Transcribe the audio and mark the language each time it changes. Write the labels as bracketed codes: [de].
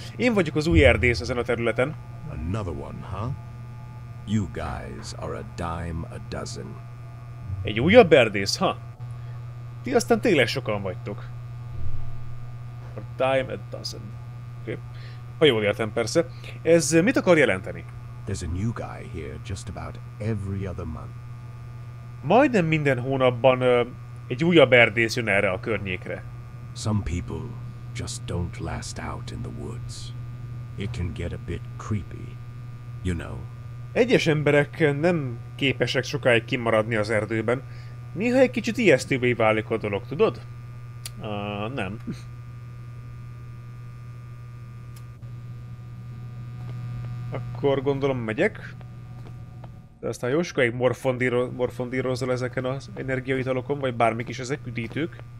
[hu] Én vagyok az új erdész ezen a területen. [en] Another one, huh? You guys are a dime a dozen. [hu] Egy újabb erdész, ha? Ti aztán tényleg sokan vagytok. [en] A dime a dozen. [hu] Ha jól értem, persze. Ez mit akar jelenteni? [en] There's a new guy here just about every other month. [hu] Majdnem minden hónapban egy újabb erdész jön erre a környékre. [en] Some people just don't last out in the woods. It can get a bit creepy, you know. [hu] Egyes emberek nem képesek sokáig kimaradni az erdőben. Néha egy kicsit ijesztővé válik a dolog, tudod? Nem. Akkor gondolom megyek. De aztán jó, sokáig morfondírozol ezeken az energiaitalokon, vagy bármik is ezek, üdítők.